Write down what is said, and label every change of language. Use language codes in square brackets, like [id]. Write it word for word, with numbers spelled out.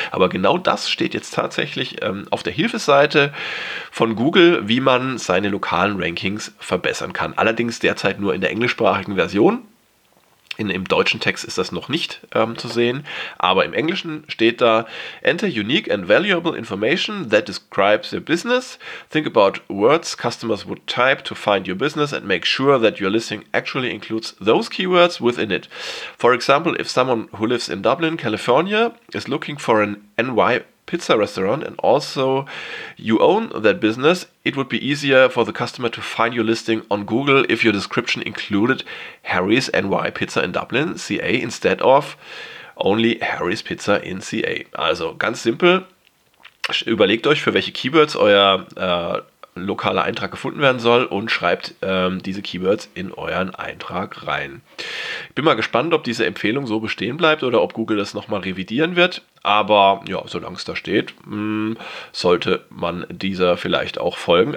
[de] Aber genau das steht jetzt tatsächlich ähm, auf der Hilfeseite von Google, wie man seine lokalen Rankings verbessern kann. Allerdings derzeit nur in der englischsprachigen Version. In, Im deutschen Text ist das noch nicht ähm, zu sehen, aber im Englischen steht da: [en] Enter unique and valuable information that describes your business. Think about words customers would type to find your business and make sure that your listing actually includes those keywords within it. For example, if someone who lives in Dublin, California is looking for an N Y pizza restaurant and also you own that business, it would be easier for the customer to find your listing on Google if your description included Harry's N Y Pizza in Dublin, C A instead of only Harry's Pizza in C A. [de] Also ganz simpel, überlegt euch, für welche Keywords euer äh, lokaler Eintrag gefunden werden soll und schreibt ähm, diese Keywords in euren Eintrag rein. Ich bin mal gespannt, ob diese Empfehlung so bestehen bleibt oder ob Google das nochmal revidieren wird. Aber ja, solange es da steht, mh, sollte man dieser vielleicht auch folgen.